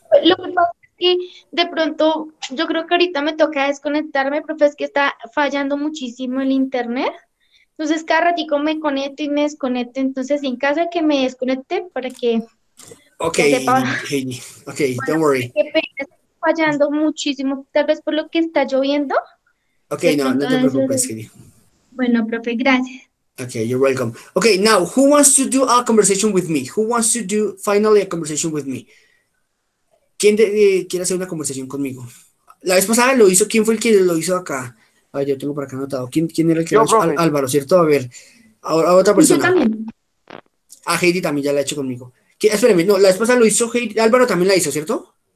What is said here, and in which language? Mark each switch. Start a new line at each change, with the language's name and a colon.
Spanish: Lo que pasa es que de pronto, yo creo que ahorita me toca desconectarme, profe, es que está fallando muchísimo el internet. Entonces, cada ratito me conecto y me desconecto. Entonces, en caso de que me desconecte, para que...
English: Ok, Heidi. Ok, bueno, don't worry.
Spanish: Estoy fallando muchísimo, tal vez por lo que está lloviendo. Ok, no, no te preocupes, Heidi. Bueno, profe, gracias.
English: Okay, you're welcome. Okay, now, who wants to do a conversation with me? Who wants to do, finally, a conversation with me?
Spanish: ¿Quién quiere hacer una conversación conmigo? La vez pasada lo hizo, ¿quién fue el que lo hizo acá? Ay, yo tengo por acá anotado. ¿Quién era el que yo, lo hizo? Álvaro, ¿cierto? A ver, a otra persona. Yo también. A Heidi también ya la ha hecho conmigo. Espérame, no, la vez pasada lo hizo Heidi, Álvaro también la hizo, ¿cierto?